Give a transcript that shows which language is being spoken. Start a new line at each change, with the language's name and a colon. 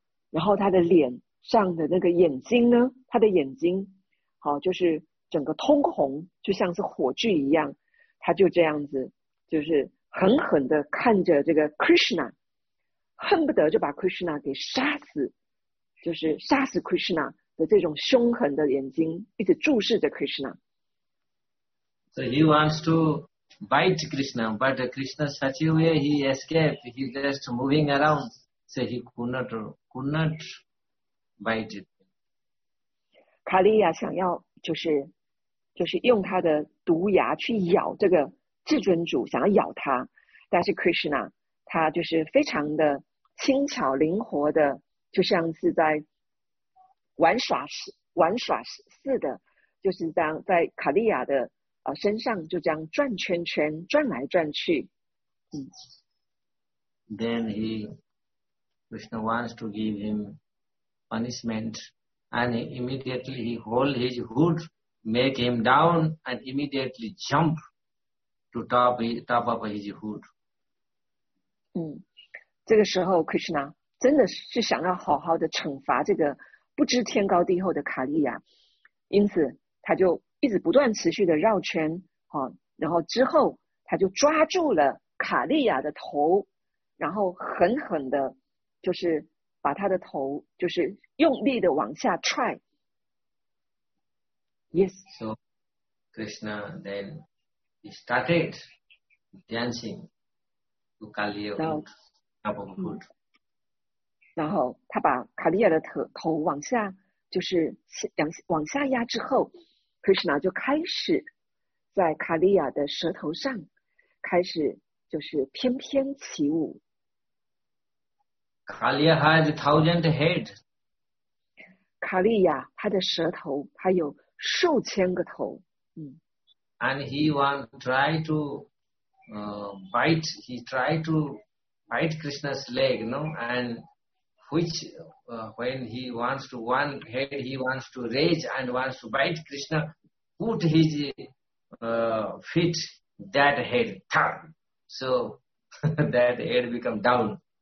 Chinese: 然后他的脸上的那个眼睛呢，他的眼睛好，就是整个通红，就像是火炬一样，他就这样子就是狠狠的看着这个 Krishna， 恨不得就把 Krishna 给杀死，就是杀死 Krishna 的这种凶狠的眼睛一直注视着 Krishna。
English: So he wants to bite Krishna, but Krishna such a way he escaped, he just moving around, so he could not bite it.
Chinese: Kaliya 想要就是用他的毒牙去咬这个至尊主，想要咬他，但是 Krishna 他就是非常的轻巧灵活的，就像是在玩耍似的，就是当在Kaliya的身上就这样转圈圈，转来转去。
English: Then he Krishna wants to give him punishment, and immediately he hold his hood, make him down, and immediately jump to top of his hood.
Chinese: 这个时候 Krishna 真的是想要好好的惩罚这个不知天高地厚的卡利亚，因此他就一直不断持续的绕圈，然后之后他就抓住了卡利亚的头，然后狠狠的就是把他的头就是用力的往下踹。
English: Yes. So Krishna then started dancing to Kaliya hood.
Chinese: 然后他把卡利亚的头往下就是往下压之后，Krishna 就开始在卡利亚的舌头上开始就是翩翩起舞。
English: Kaliya has a thousand heads.
Chinese: 卡利亚他的舌头他有数千个头。
English: And he want try to bite Krishna's leg, no? And which when he wants to one head he wants to raise and wants to bite Krishna. Put his feet that head down, so that head become down.